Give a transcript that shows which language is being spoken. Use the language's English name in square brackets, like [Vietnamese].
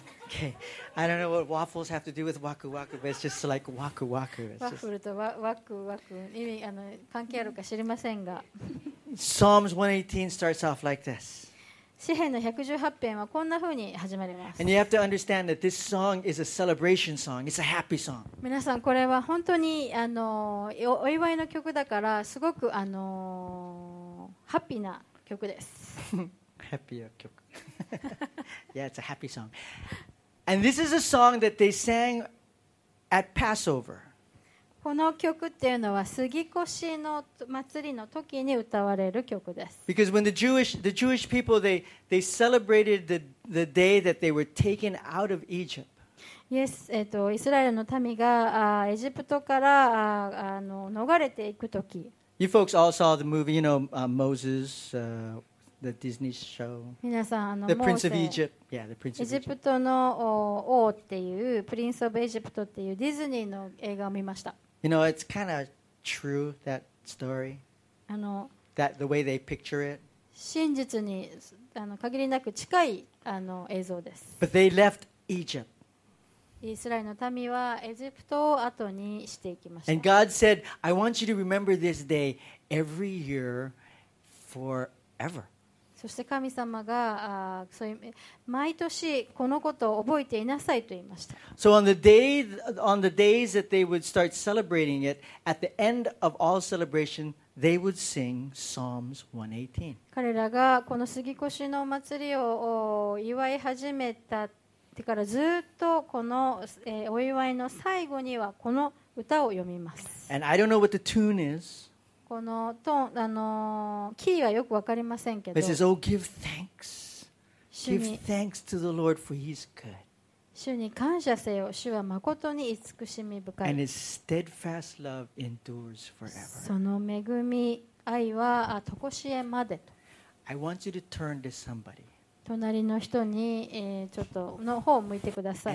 [English] Okay, I don't know what waffles have to do with ワクワク, but it's just like ワクワク. [Japanese] ワフルとワクワク意味関係あるか知りませんが。 [English] Psalms 118 starts off like this. [Japanese] 詩編の118編はこんな風に始まります。 [English] And you have to understand that this song is a celebration song. It's a happy song. [Japanese] 皆さんこれは本当にお祝いの曲だからすごくハッピーな曲です。ハッピーな曲。 [English] Yeah, it's a happy song. And this is a song that they sang at Passover. [Japanese] この曲っていうのは杉越の祭りの時に歌われる曲です。 [English] Because when the Jewish people they celebrated the day that they were taken out of Egypt. [Japanese] Yes, イスラエルの民がエジプトから逃れていく時。 [English] You folks all saw the movie, you know, Moses, the Disney show. [Japanese] 皆さん、 [English] The Prince of Egypt. Yeah, the Prince of Egypt. [Japanese] エジプトの王っていう、Prince of Egypt っていうディズニーの映画を見ました。 [English] You know, it's kind of true, that story. That the way they picture it. [Japanese] 真実に限りなく近い映像です。 [English] But they left Egypt. [Japanese] イスラエルの民はエジプトを後にしていきました。 [English] And God said, I want you to remember this day every year forever. [Japanese] そして神様がそういう毎年このことを覚えていなさいと言いました。 [English] So on the days that they would start celebrating it, at the end of all celebration, they would sing Psalms 118. [Japanese] 彼らがこの杉越の祭りを祝い始めたからずっとこのお祝いの最後にはこの歌を読みます。 [English] And I don't know what the tune is. [Japanese] このトーン、キーはよくわかりませんけど。 [English] It says, Oh, give thanks. Give thanks to the Lord for He's good. [Japanese] 主に感謝せよ。主は誠に慈しみ深い。 [English] And His steadfast love endures forever. [Japanese] その恵み、愛はとこしえまでと。 [English] I want you to turn to somebody. [Japanese] 隣の人にちょっとの方を向いてください。